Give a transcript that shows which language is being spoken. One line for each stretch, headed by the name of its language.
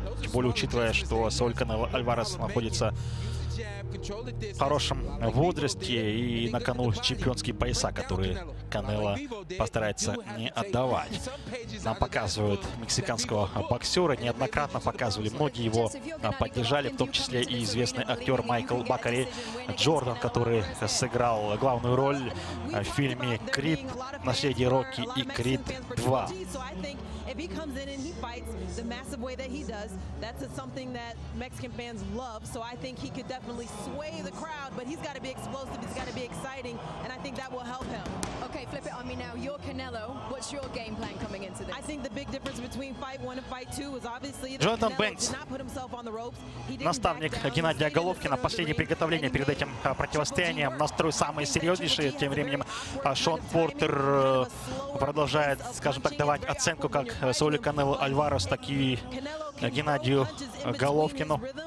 Russian: Тем более, учитывая, что Сауль Канело Альварес находится в хорошем возрасте и на кону чемпионские пояса, которые Канело постарается не отдавать. Нам показывают мексиканского боксера, неоднократно показывали, многие его поддержали, в том числе и известный актер Майкл Бакари Джордан, который сыграл главную роль в фильме «Крид. Наследие Рокки» и «Крид 2».
English: If he comes in and he fights the massive way that he does, that's something that Mexican fans love. So I think he could definitely sway the crowd, but he's got to be explosive, he's got to be exciting, and I think that will help him. Okay, flip it on me now. You're Canelo. What's your game plan coming into this? I think the big difference between fight one and fight two was obviously
Russian: Джонатан Бенкс, наставник Геннадия Головкина. Последнее приготовление перед этим противостоянием. Настрой самый серьезнейший. Тем временем Шон Портер продолжает, скажем так, давать оценку как Сауль Канело Альварес, так и Геннадию Головкину.